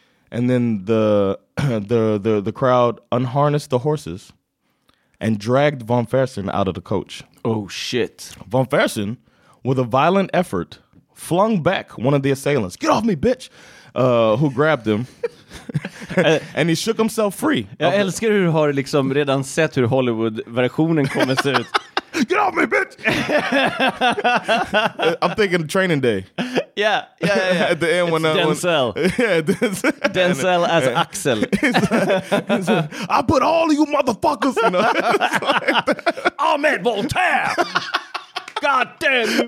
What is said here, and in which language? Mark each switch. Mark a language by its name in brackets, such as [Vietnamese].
[English] And then the crowd unharnessed the horses and dragged von Fersen out of the coach. Oh, shit. Von Fersen, with a violent effort... flung back one of the assailants. Get off me, bitch! Who grabbed him. And he shook himself free. [Swedish] Jag älskar hur du har liksom redan sett hur Hollywood-versionen kommer se ut. [English] Get off me, bitch! I'm thinking Training Day. Yeah. At the end it's when Denzel. Denzel as Axel. Like, I put all of you motherfuckers in a... I met Voltaire! God damn!